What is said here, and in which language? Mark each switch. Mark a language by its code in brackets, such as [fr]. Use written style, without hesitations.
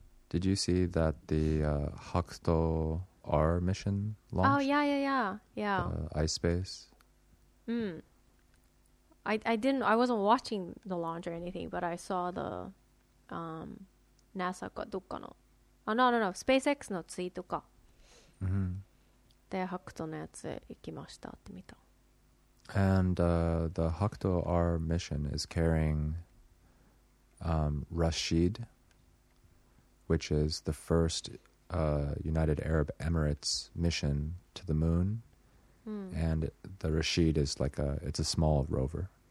[en] Did you see that the Hakuto... our mission launch? Oh yeah. iSpace. I wasn't watching the launch or anything, but I saw the NASA [ja] かどっかの [en] SpaceX [ja] のツイートか。 Mm-hmm. で、ハクトのやつ行きましたって見た。 [en] And the Hakuto R mission is carrying Rashid, which is the first United Arab Emirates mission to the moon, and the Rashid is like it's a small rover.